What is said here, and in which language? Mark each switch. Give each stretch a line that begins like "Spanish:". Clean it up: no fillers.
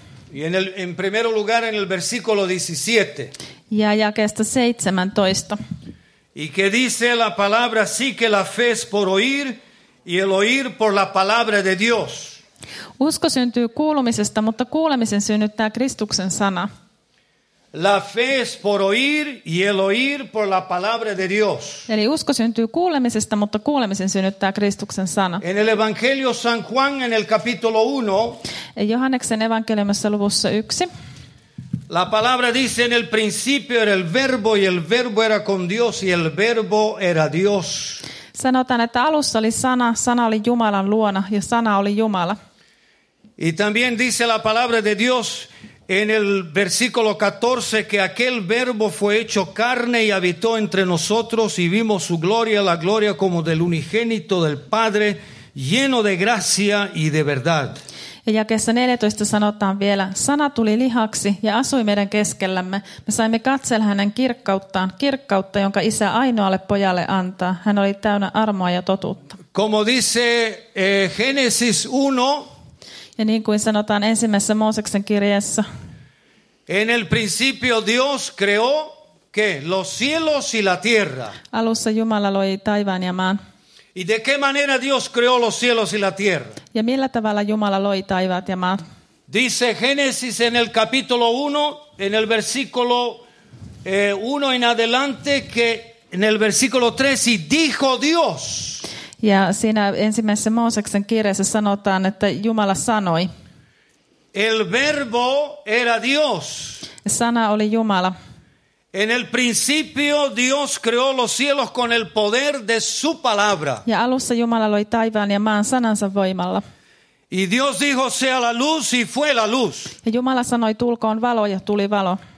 Spanish: En primer lugar en el versículo 17.
Finnish: Ja jakeesta 17.
Spanish: Y que dice la palabra, sí que la fe es por oír, y el oír por la palabra de Dios.
Finnish: Usko syntyy kuulumisesta, mutta kuulemisen synnyttää Kristuksen sana.
Spanish: La fe es por oír y el oír por la palabra de Dios.
Finnish: Eli usko syntyy kuulemisesta, mutta kuulemisen synnyttää Kristuksen sana.
Spanish: En el Evangelio San Juan en el capítulo 1.
Finnish: Johanneksen evankeliumissa luvussa 1.
Spanish: La palabra dice en el principio era el verbo y el verbo era con Dios y el verbo era Dios.
Finnish: Sanotaan, että alussa oli sana, sana oli Jumalan luona ja sana oli Jumala.
Spanish: Y también dice la palabra de Dios en el versículo 14 que aquel verbo fue hecho carne y habitó entre nosotros y vimos su gloria, la gloria como del unigénito del Padre, lleno de gracia y de verdad.
Finnish: Ja jakeessa 14 sanotaan vielä, sana tuli lihaksi ja asui meidän keskellämme. Me saimme katsella hänen kirkkauttaan, kirkkautta, jonka isä ainoalle pojalle antaa. Hän oli täynnä armoa ja totuutta.
Spanish: Como dice Génesis 1,
Finnish: ja niin kuin sanotaan ensimmäisessä Mooseksen kirjeessä.
Spanish: En el principio Dios creó que los cielos y la tierra.
Finnish: Alussa Jumala loi taivaan ja maan.
Spanish: ¿Y de qué manera Dios creó los cielos y la tierra?
Finnish: Ja millä tavalla Jumala loi taivaat ja maat?
Spanish: Dice Génesis en el capítulo 1, en el versículo 1 en adelante, que en el versículo 3, y dijo Dios.
Finnish: Ja siinä ensimmäisessä Mooseksen kirjassa sanotaan, että Jumala sanoi.
Spanish: El verbo era Dios.
Finnish: Sana oli Jumala.
Spanish: En el principio Dios creó los cielos con el poder de su palabra.
Finnish: Ja alussa Jumala loi taivaan ja maan sanansa voimalla.
Spanish: Y Dios dijo sea la luz y fue la luz.
Finnish: Ja Jumala sanoi tulkoon valo ja tuli valo.